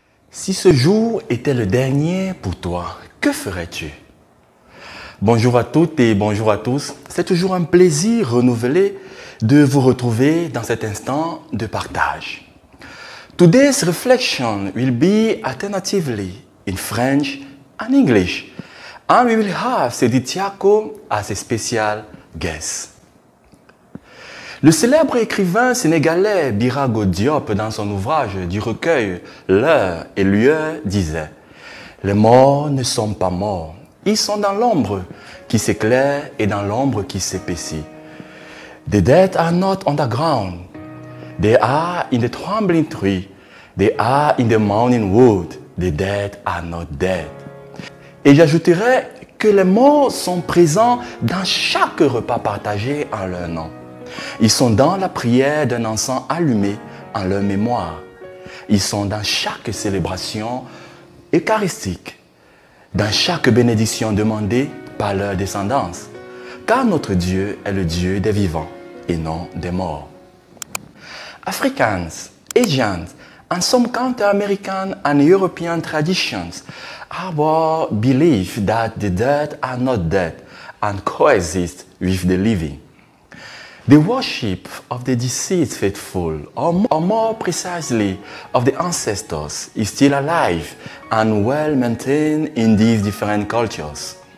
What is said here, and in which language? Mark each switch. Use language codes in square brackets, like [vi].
[fr] Si ce jour était le dernier pour toi, que ferais-tu? Bonjour à toutes et bonjour à tous. C'est toujours un plaisir renouvelé de vous retrouver dans cet instant de partage. [en] Today's reflection will be alternatively in French and English. And we will have Cédric Thiaco as a special guest. [fr] Le célèbre écrivain sénégalais Birago Diop, dans son ouvrage du recueil « L'heure et lieu » disait « Les morts ne sont pas morts, ils sont dans l'ombre qui s'éclaire et dans l'ombre qui s'épaissit. [en] The dead are not underground, they are in the trembling tree, they are in the mourning wood, the dead are not dead. » [fr] Et j'ajouterai que les morts sont présents dans chaque repas partagé en leur nom. Ils sont dans la prière d'un encens allumé en leur mémoire. Ils sont dans chaque célébration eucharistique, dans chaque bénédiction demandée par leur descendance. Car notre Dieu est le Dieu des vivants et non des morts. [en] Africans, Asians, and some counter American and European traditions have our belief that the dead are not dead and coexist with the living. The worship of the deceased faithful, or more precisely, of the ancestors, is still alive and well maintained in these different cultures.